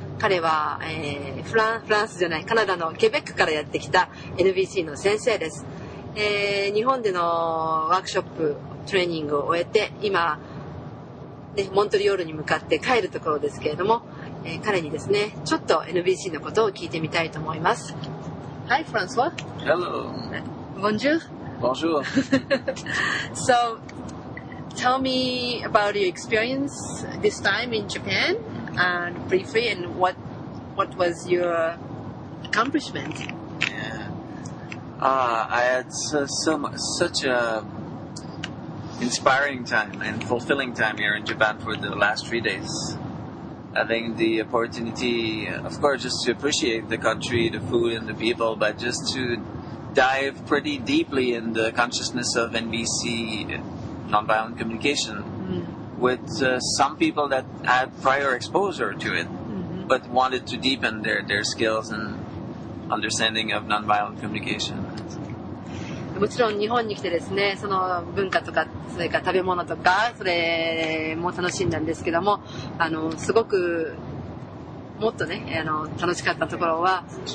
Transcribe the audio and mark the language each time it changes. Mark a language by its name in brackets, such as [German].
[Japanese] 彼は、フランスじゃないカナダのケベックからやってきた NBC の先生です。日本でのワークショップトレーニングを終えて今、ね、モントリオールに向かって帰るところですけれども、彼にですねちょっと NBC のことを聞いてみたいと思います。 [English] Hi François. Hello. [French] Bonjour. Bonjour. [English] SoTell me about your experience this time in Japan, and briefly, and what was your accomplishment? Yeah, I had such an inspiring time and fulfilling time here in Japan for the last 3 days. Having the opportunity, of course, just to appreciate the country, the food, and the people, but just to dive pretty deeply in the consciousness of NBC. Nonviolent communication with some people that had prior exposure to it, but wanted to deepen their skills and understanding of nonviolent communication. [Japanese] もちろん日本に来てですね、その文化とかそれから食べ物とかそれも楽しんだんですけども、あのすごくもっとね、あの楽しかったところは、